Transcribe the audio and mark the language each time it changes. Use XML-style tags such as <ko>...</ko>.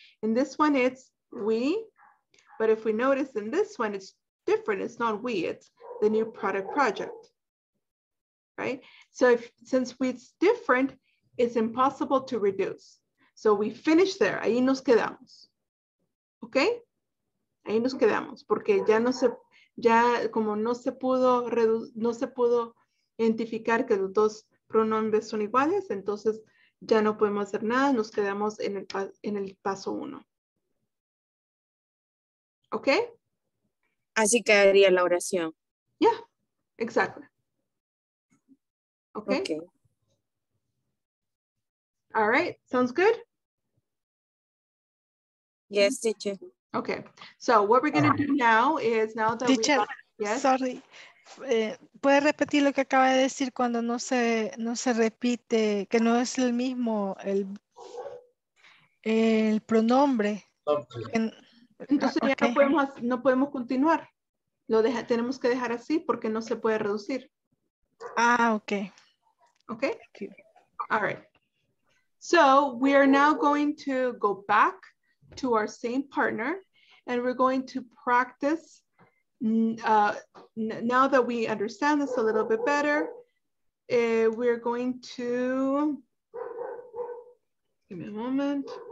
<en>In this one, it's we, but if we notice in this one, it's different. It's not we, it's the new product project, right? So if, since we, it's different, it's impossible to reduce. So we finish there,</en> <es>ahí nos quedamos,</es> <en>okay?</en> <es>Ahí nos quedamos, porque ya no se, ya como no se pudo reducir, no se pudo identificar que los dos pronombres son iguales, entonces ya no podemos hacer nada, nos quedamos en el paso uno. ¿Ok? Así quedaría la oración. Ya, yeah, exacto. Okay. ¿Ok?</es> <en>All right, sounds good? Yes, teacher. Okay, so what we're going to do now is now that teacher, we have, yes? Sorry.</en> <es>¿Puede repetir lo que acaba de decir cuando no se, no se repite, que no es el mismo el pronombre? Okay. Entonces ya okay. no podemos continuar. Tenemos que dejar así porque no se puede reducir. Ah, okay.</es> <en>Okay? All right. So we are now going to go back to our same partner and we're going to practice. Now that we understand this a little bit better, we're going to, give me a moment.</en>